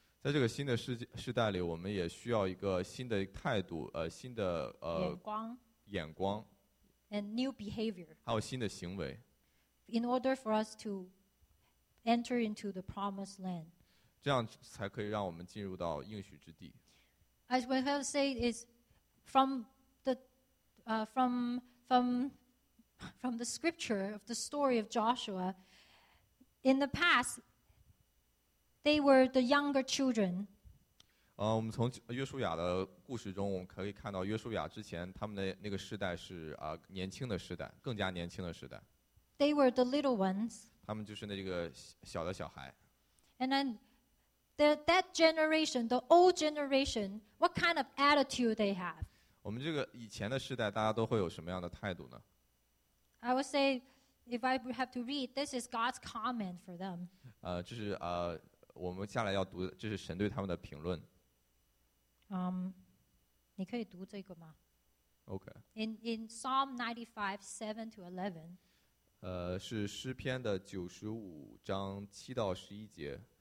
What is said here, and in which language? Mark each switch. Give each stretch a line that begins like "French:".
Chinese: 在这个新的时代里，我们也需要一个新的态度，新的
English: 眼光 and new behavior.
Chinese: 还有新的行为
English: in order for us to enter into the promised land.
Chinese: 这样才可以让我们进入到应许之地。
English: As we have said, is from the scripture of the story of Joshua. In the past, they were the younger children.
Chinese: 我们从约书亚的故事中，我们可以看到约书亚之前他们的那个世代是年轻的世代，更加年轻的世代。
English: They were the little ones.
Chinese: 他们就是那个小的小孩。
English: And then that generation, the old generation, what kind of attitude they have?
Chinese: 我们这个以前的世代，大家都会有什么样的态度呢
English: ？I would say, if I have to read, this is God's comment for them.
Chinese: 就是我们下来要读，这是神对他们的评论。你可以读这个吗
English: ？OK. In Psalm 95:7-11.
Chinese: 是诗篇的95:7-11。